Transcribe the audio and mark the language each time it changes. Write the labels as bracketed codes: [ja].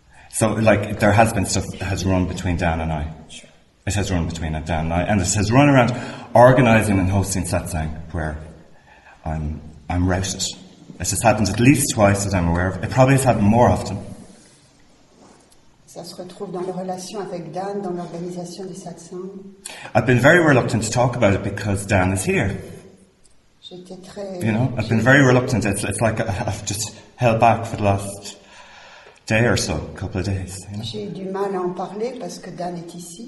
[en] So, like, there has been stuff that has run between Dan and I. Sure. It has run between Dan and I, and it has run around organising and hosting satsang where I'm routed. It has happened at least twice that I'm aware of. It probably has happened more often. [fr] Ça se retrouve dans les relations avec Dan, dans l'organisation du satsang. [en] I've been very reluctant to talk about it because Dan is here. [fr] J'étais très... [en] You know, I've been very reluctant. It's like I've just held back for the last day or so, a couple of days. You know? [fr] J'ai du mal à en parler parce que Dan est ici.